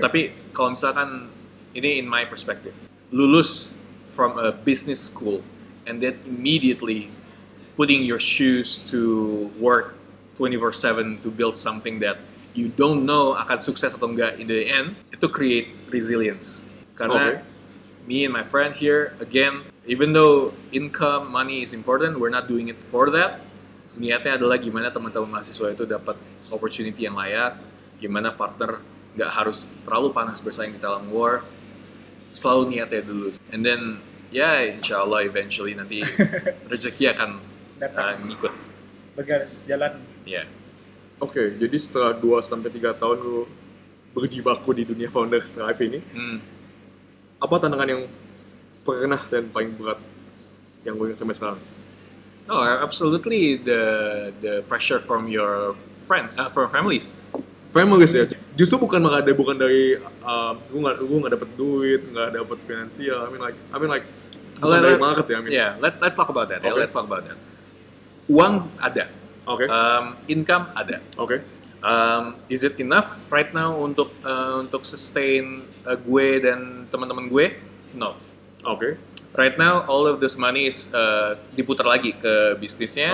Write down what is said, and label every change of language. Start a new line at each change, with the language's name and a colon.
Indonesian: Tapi, kalau misalkan, ini
English: in my perspective, lulus from a business school and then immediately putting your shoes to work 24/7 to build something that you don't know
Indonesian: akan sukses atau enggak
English: in the end, itu create resilience. Karena okay. Me and my friend here, again, even though income, money is important, we're not doing it for that.
Indonesian: Niatnya adalah gimana teman-teman mahasiswa itu dapat opportunity yang layak, gimana partner enggak harus terlalu panas bersaing di dalam war. Selalu niatnya dulu.
English: And then,
Indonesian: ya yeah, insya Allah eventually nanti rezeki akan ngikut. Bergaris, jalan. Iya. Yeah. Oke, okay, jadi setelah 2-3 tahun lu berjibaku di dunia Founders Drive ini, apa tantangan yang pernah dan paling berat yang gue ingat sampai sekarang?
English: Oh, absolutely the pressure from your friend, from families. Families ya?
Indonesian: Justru bukan dari gue nggak dapet duit, nggak dapet finansial.
English: I mean like,
Indonesian: dari market ya.
English: I mean. Yeah, let's talk about that. Okay. Yeah, let's talk about that.
Indonesian: Uang ada.
English: Okay.
Indonesian: Income ada.
English: Okay. Is it enough right now
Indonesian: untuk
English: sustain
Indonesian: gue dan teman-teman gue?
English: No. Okay. Right now, all of this money is
Indonesian: diputar lagi ke bisnisnya.